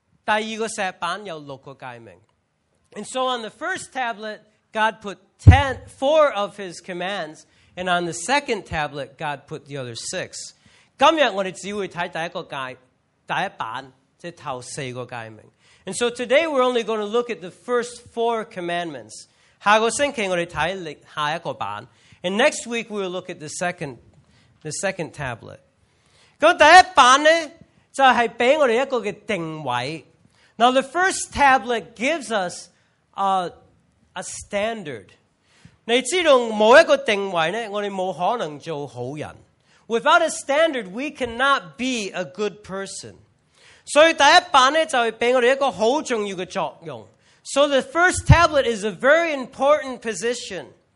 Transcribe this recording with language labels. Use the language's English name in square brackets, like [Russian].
[Chinese] 所以第一个石板呢,是有四个诫命。第二个石板有六个诫命。 [English] And so on the first tablet, God put four of his commands. And on the second tablet, God put the other six. [Chinese] 今天我们只会看第一个诫,第一板,就是头四个诫命。 [English] And so today we're only going to look at the first four commandments. [Chinese] 下个星期我们看下一个版, [English] and next week we'll look at the second tablet. [Chinese] 第一版呢,就是给我们一个定位。 [English] Now the first tablet gives us a standard. [Chinese] 你知道没有一个定位呢,我们不可能做好人。 [English] Without a standard, we cannot be a good person. [Chinese] 所以第一版呢,就是给我们一个很重要的作用。 [English] So the first tablet is a very important position.